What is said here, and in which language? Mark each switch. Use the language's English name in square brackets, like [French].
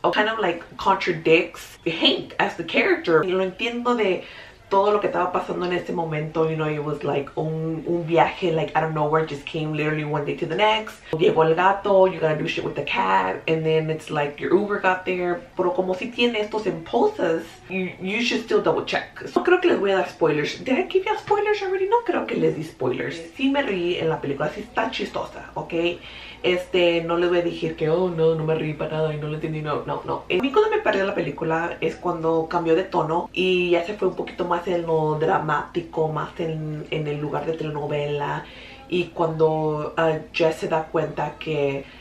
[English] It kind of like contradicts Hank as the character. [Spanish] Y lo entiendo de todo lo que estaba pasando en ese momento. [English] You know, it was like [Spanish] un viaje, [English] like out of nowhere, just came literally one day to the next. [Spanish] Llegó el gato, [English] you gotta do shit with the cat, and then it's like your Uber got there. [Spanish] Pero como si tiene estos [English] impulses, you should still double check. [Spanish] No creo que les voy a dar spoilers. [English] Did I give you spoilers already? [Spanish] No creo que les di spoilers. Sí me reí en la película, sí está chistosa, ok? No les voy a decir que, oh no, no me reí para nada y no lo entendí, no. A mí cuando me perdí la película es cuando cambió de tono y ya se fue un poquito más en lo dramático, más en el lugar de telenovela. Y cuando Jess se da cuenta que